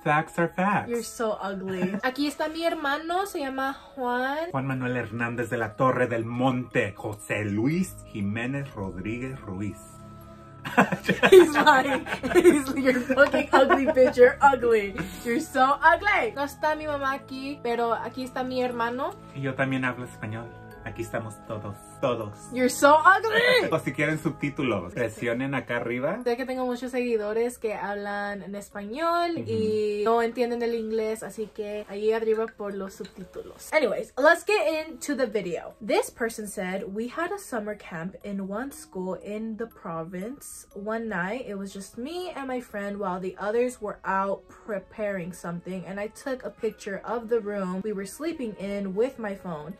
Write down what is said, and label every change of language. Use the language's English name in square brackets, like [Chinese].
[English] Facts are facts. You're so ugly. [Spanish] Aquí está mi hermano. Se llama Juan. Juan Manuel Hernández de la Torre del Monte. José Luis Jiménez Rodríguez Ruiz. [English] He's lying. You're fucking ugly, bitch. You're ugly. You're so ugly. [Spanish] No está mi mamá aquí, pero aquí está mi hermano. Y yo también hablo español. Aquí estamos todos, todos. [English] You're so ugly. [Spanish] O si quieren subtítulos, presionen acá arriba. Sé que tengo muchos seguidores que hablan en español y no entienden el inglés, así que ahí arriba por los subtítulos. [English] Anyways, let's get into the video. This person said, we had a summer camp in one school in the province. One night, it was just me and my friend while the others were out preparing something, and I took a picture of the room we were sleeping in with my phone.